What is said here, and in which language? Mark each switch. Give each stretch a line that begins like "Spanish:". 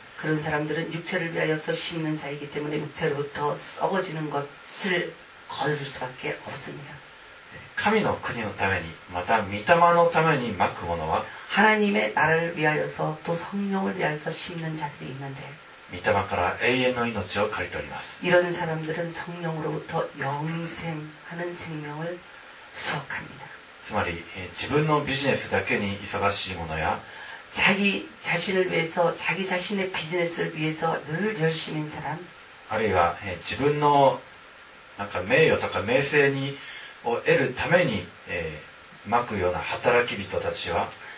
Korean: 그런사람들은육체를위하여서심는자이기때문에육체로부터썩어지는것을거둘수밖에없습니다
Japanese: 神の国のためにまた御霊のためにまくものは
Korean: 하나님의나라를위하여서또성령을위하여서심는자들이있는데
Japanese: 御霊から永遠の命を刈り取ります
Korean: 이런사람들은성령으로부터영생하는생명을수확합니다
Japanese: つまり自分のビジネスだけに忙しいものや
Korean: 자기자신을위해서자기자신의비즈니스를위해서늘열심인사람
Japanese: あるいは自分のなんか名誉とか名声にを得るためにまくような働き人たちは